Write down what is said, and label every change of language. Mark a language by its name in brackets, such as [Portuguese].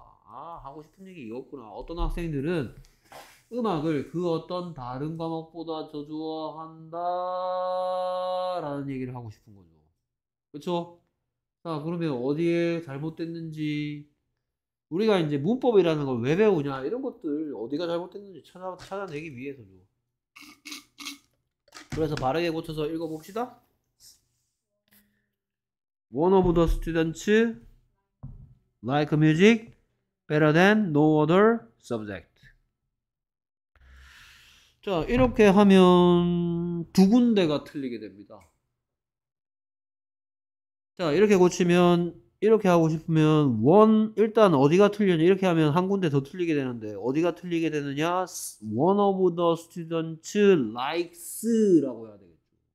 [Korean] 아, 하고 싶은 얘기 이거구나. 어떤 학생들은 음악을 그 어떤 다른 과목보다 더 좋아한다라는 얘기를 하고 싶은 거죠. 그렇죠? 자, 그러면 어디에 잘못됐는지 우리가 이제 문법이라는 걸왜 배우냐 이런 것들 어디가 잘못됐는지 찾아내기 위해서죠. 그래서 바르게 고쳐서 읽어봅시다. [English] One of the students like music better than no other subject. [Korean] 자, 이렇게 하면 두 군데가 틀리게 됩니다. 자, 이렇게 고치면, 이렇게 하고 싶으면, 일단 어디가 틀리냐, 이렇게 하면 한 군데 더 틀리게 되는데, 어디가 틀리게 되느냐, [English] one of the students likes [Korean] 라고 해야 되겠죠.